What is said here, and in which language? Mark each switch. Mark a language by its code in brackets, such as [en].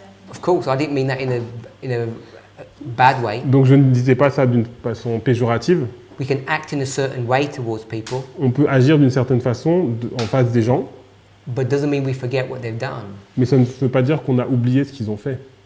[en] Of course, I didn't mean that in a bad way. [fr] Donc je ne disais pas ça d'une façon péjorative. [en] We can act in a certain way towards people. [fr] On peut agir d'une certaine façon en face des gens. [en] But doesn't mean we forget what they've done. [fr] Mais ça ne veut pas dire qu'on a oublié ce qu'ils ont fait.